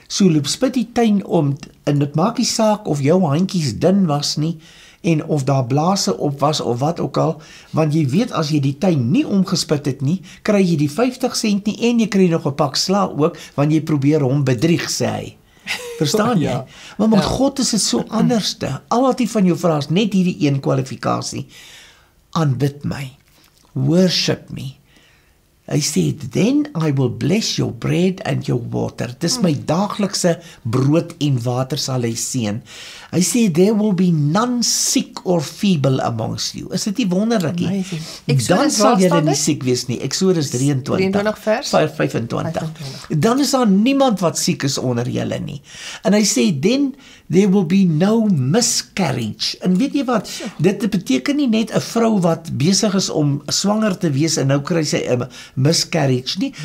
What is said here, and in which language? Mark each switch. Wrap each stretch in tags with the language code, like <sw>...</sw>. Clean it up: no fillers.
<af>So loop spit die tuin om, en het maak die saak of jou handjies dun was nie, en of daar blase op was of wat ook al, want jy weet as jy die tuin nie omgespit het nie, kry jy die 50 cent nie en jy kry nog 'n pak sla ook, want jy probeer hom bedrieg, sê hy. Verstaan jy? Ja. Maar God is het so anderste. Al wat hy van jou vra is net hierdie een kwalifikasie. Aanbid my.</af> <en>Worship me.</en> <af>Hy sê,</af> <en>then I will bless your bread and your water.</en> <af>Dis my daaglikse brood en water sal hy seën. Hy sê,</af> <en>there will be none sick or feeble amongst you.</en> <af>Is dit nie wonderlik nie? Dan sal julle nie siek wees nie. Exodus 23 vers 25. Dan is daar niemand wat siek is onder julle nie. En hy sê,</af> <en>then there will be no miscarriage.</en> <af>En weet jy wat, dit beteken nie net 'n vrou wat besig is om swanger te wees en nou kry sy 'n miscarriage nie.</af>